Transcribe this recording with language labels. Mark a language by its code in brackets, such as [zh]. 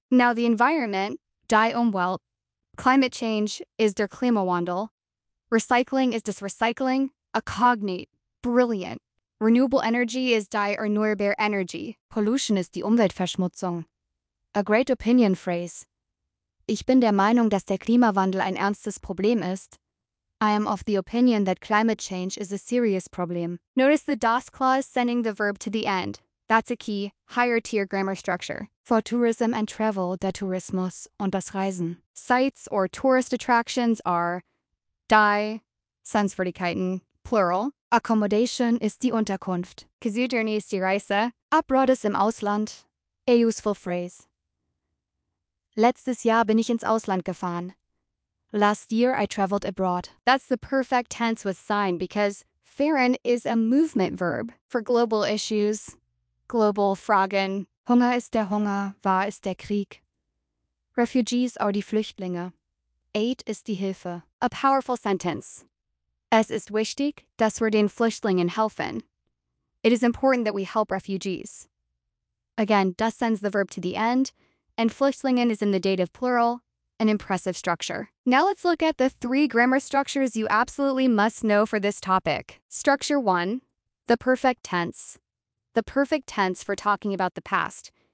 [en] Now the environment, [de] die Umwelt. [en] Climate change is [de] der Klimawandel. [en] Recycling is just recycling. A cognate. Brilliant. Renewable energy is [de] die erneuerbare Energie. [en] Pollution [de] ist die Umweltverschmutzung. [en] A great opinion phrase. [de] Ich bin der Meinung, dass der Klimawandel ein ernstes Problem ist. [en] I am of the opinion that climate change is a serious problem. Notice the das clause sending the verb to the end. That's a key, higher tier grammar structure. For tourism and travel, [de] der Tourismus und das Reisen. [en] Sites or tourist attractions are [de] die Sehenswürdigkeiten, [en] plural. Accommodation [de] ist die Unterkunft. [en] Kazoo journey [de] ist die Reise. [en] Abroad [de] ist im Ausland. [en] A useful phrase. [de] Letztes Jahr bin ich ins Ausland gefahren. [en] Last year I traveled abroad. That's the perfect tense with sein because fahren is a movement verb for global issues. [de] Global Fragen. Hunger ist der Hunger, wahr ist der Krieg. [en] Refugees are [de] die Flüchtlinge. [en] Aid [de] ist die Hilfe. [en] A powerful sentence. [de] Es ist wichtig, dass wir den Flüchtlingen helfen. [en] It is important that we help refugees. Again, das sends the verb to the end, and Flüchtlingen is in the dative plural, an impressive structure. Now let's look at the three grammar structures you absolutely must know for this topic. Structure one, the perfect tense. The perfect tense for talking about the past.